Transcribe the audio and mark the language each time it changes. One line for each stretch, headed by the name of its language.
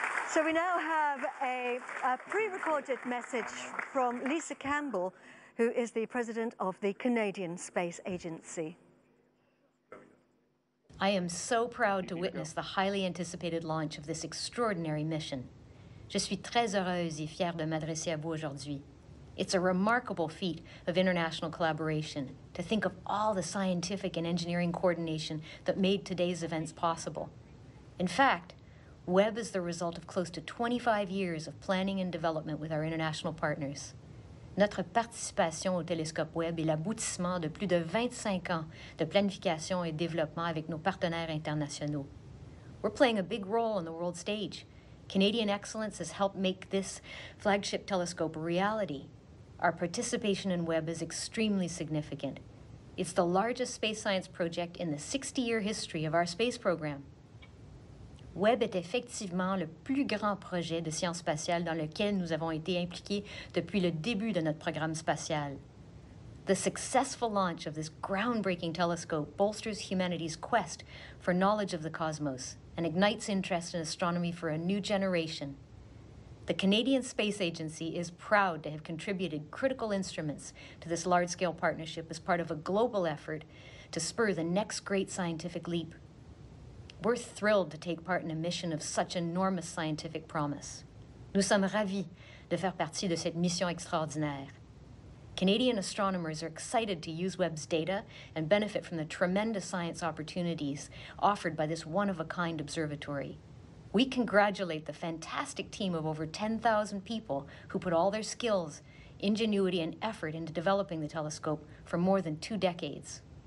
English: So we now have a pre-recorded message from Lisa Campbell, who is the president of the Canadian Space Agency. I am so proud to witness the highly anticipated launch of this extraordinary mission.
French: Je suis très heureuse et fière de m'adresser à vous aujourd'hui.
English: It's a remarkable feat of international collaboration to think of all the scientific and engineering coordination that made today's events possible. In fact, Webb is the result of close to 25 years of planning and development with our international partners.
French: Notre participation au télescope Webb est l'aboutissement de plus de 25 ans de planification et développement avec nos partenaires internationaux.
English: We're playing a big role on the world stage. Canadian excellence has helped make this flagship telescope a reality. Our participation in Webb is extremely significant. It's the largest space science project in the 60-year history of our space program.
French: Webb est effectivement le plus grand projet de science spatiale dans lequel nous avons été impliqués depuis le début de notre programme spatial.
English: The successful launch of this groundbreaking telescope bolsters humanity's quest for knowledge of the cosmos and ignites interest in astronomy for a new generation. The Canadian Space Agency is proud to have contributed critical instruments to this large-scale partnership as part of a global effort to spur the next great scientific leap. We're thrilled to take part in a mission of such enormous scientific promise.
French: Nous sommes ravis de faire partie de cette mission extraordinaire.
English: Canadian astronomers are excited to use Webb's data and benefit from the tremendous science opportunities offered by this one-of-a-kind observatory. We congratulate the fantastic team of over 10,000 people who put all their skills, ingenuity, and effort into developing the telescope for more than two decades.